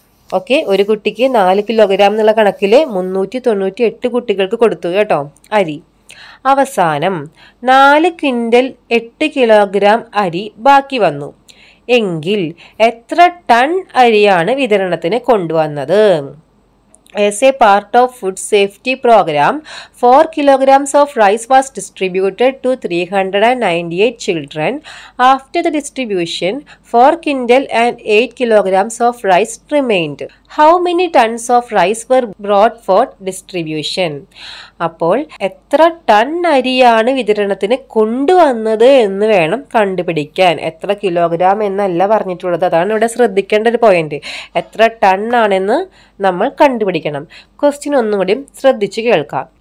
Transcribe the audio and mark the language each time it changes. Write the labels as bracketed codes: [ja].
[ml] Okay, ഒരു കുട്ടിക്ക് 4 kilogram എന്നുള്ള കണക്കിൽ 398 കുട്ടികൾക്ക് കൊടുത്തു കേട്ടോ അരി. അവസാനം 4 ക്വിൻ്റൽ 8 കിലോഗ്രാം അരി ബാക്കി വന്നു എങ്കിൽ എത്ര ടൺ അരിയാണ് വിതരണത്തിന് കൊണ്ടുവന്നത്? [en] As a part of food safety program, 4 kilograms of rice was distributed to 398 children. After the distribution, 4 quintal and 8 kilograms of rice remained. How many tons of rice were brought for distribution? [ml] അപ്പോൾ എത്ര ton അരിയാണ് വിതരണത്തിന് കൊണ്ടുവന്നത് എന്ന് വേണം കണ്ടുപിടിക്കാൻ. എത്ര kilogram എന്നല്ല പറഞ്ഞിട്ടുള്ളത്, അതാണ് ഇവിടെ ശ്രദ്ധിക്കേണ്ട ഒരു പോയിന്റ്. എത്ര ടൺ ആണെന്ന് നമ്മൾ കണ്ടുപിടിക്കണം. ക്വസ്റ്റ്യൻ ഒന്നും കൂടി ശ്രദ്ധിച്ച് കേൾക്കാം.